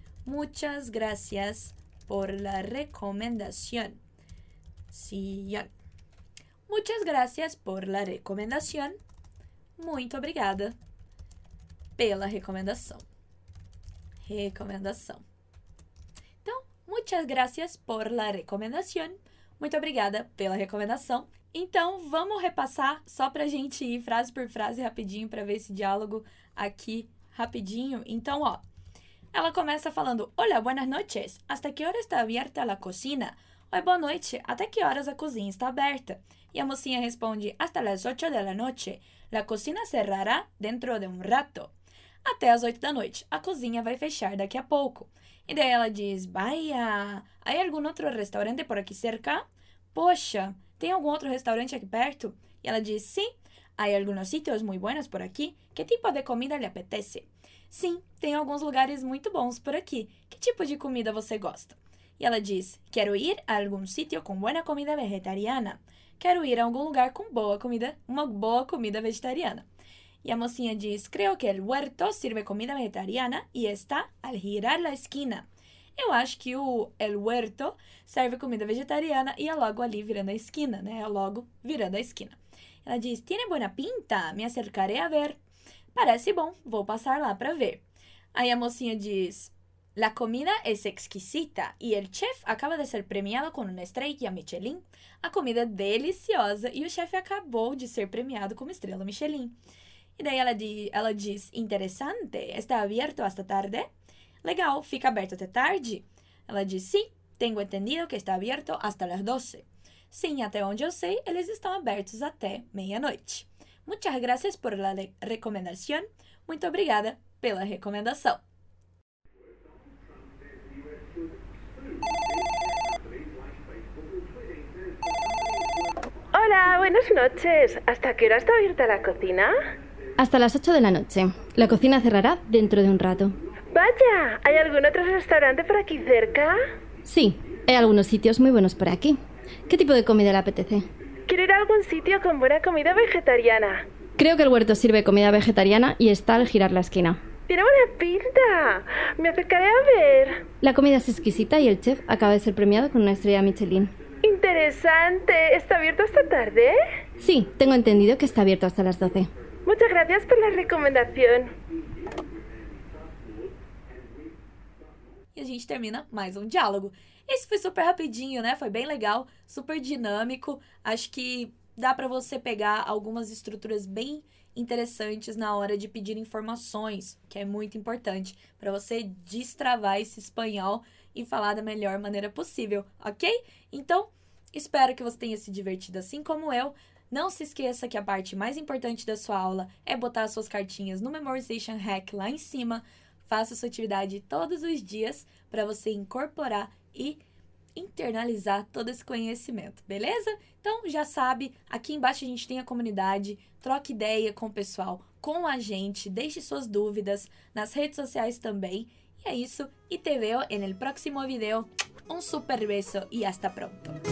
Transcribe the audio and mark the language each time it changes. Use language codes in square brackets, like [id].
[es] Muchas gracias por la recomendación. Sion. Muchas gracias por la recomendación. [pt] Muito obrigada pela recomendação. Recomendação. Então, [es] muchas gracias por la recomendación. [pt] Muito obrigada pela recomendação. Então, vamos repassar só pra gente ir frase por frase rapidinho pra ver esse diálogo aqui rapidinho. Então, ó, ela começa falando, [es] hola, buenas noches. Hasta que hora está abierta la cocina? [pt] Oi, boa noite. Até que horas a cozinha está aberta? E a mocinha responde, [es] hasta las 8 de la noche. La cocina cerrará dentro de un rato. [pt] Até as 8 da noite. A cozinha vai fechar daqui a pouco. E daí ela diz, [es] vaya, hay algún otro restaurante por aquí cerca? [pt] Poxa, tem algum outro restaurante aqui perto? E ela diz, sim, [es] hay algunos sitios muy buenos por aquí. ¿Qué tipo de comida le apetece? [pt] Sim, tem alguns lugares muito bons por aqui. Que tipo de comida você gosta? E ela diz, [es] quiero ir a algún sitio con buena comida vegetariana. [pt] Quero ir a algum lugar com boa comida, uma boa comida vegetariana. E a mocinha diz, [es] creo que el huerto sirve comida vegetariana y está al girar la esquina. [pt] Eu acho que o el huerto serve comida vegetariana e é logo ali virando a esquina, né? É logo virando a esquina. Ela diz, [es] tiene buena pinta, me acercaré a ver. [pt] Parece bom, vou passar lá para ver. Aí a mocinha diz, [es] la comida es exquisita y el chef acaba de ser premiado con una estrella Michelin. [pt] A comida é deliciosa e o chef acabou de ser premiado com uma estrela Michelin. E daí ela diz, interessante, [es] está aberto hasta tarde? [pt] Legal, fica aberto até tarde? Ela diz, sim, [es] tengo entendido que está aberto hasta las 12. [pt] Sim, até onde eu sei, eles estão abertos até meia-noite. [es] Muchas gracias por la recomendación. [pt] Muito obrigada pela recomendação. [es] Hola, buenas noches. ¿Hasta qué hora está abierta la cocina? Hasta las 8 de la noche. La cocina cerrará dentro de un rato. Vaya, ¿hay algún otro restaurante por aquí cerca? Sí, hay algunos sitios muy buenos por aquí. ¿Qué tipo de comida le apetece? Quiero ir a algún sitio con buena comida vegetariana. Creo que el huerto sirve comida vegetariana y está al girar la esquina. ¡Tiene buena pinta! ¡Me acercaré a ver! La comida es exquisita y el chef acaba de ser premiado con una estrella Michelin. ¡Interesante! ¿Está abierto hasta tarde? Sí, tengo entendido que está abierto hasta las 12. Muchas gracias por la recomendación. [pt] E a gente termina mais um diálogo. Esse foi super rapidinho, né? Foi bem legal, super dinâmico. Acho que dá pra você pegar algumas estruturas bem interessantes na hora de pedir informações, que é muito importante, pra você destravar esse espanhol e falar da melhor maneira possível, ok? Então, espero que você tenha se divertido assim como eu. Não se esqueça que a parte mais importante da sua aula é botar as suas cartinhas no Memorization Hack lá em cima. Faça sua atividade todos os dias para você incorporar e internalizar todo esse conhecimento, beleza? Então, já sabe, aqui embaixo a gente tem a comunidade. Troque ideia com o pessoal, com a gente. Deixe suas dúvidas nas redes sociais também. E é isso. [es] E te veo en el próximo video. Un super beso y hasta pronto.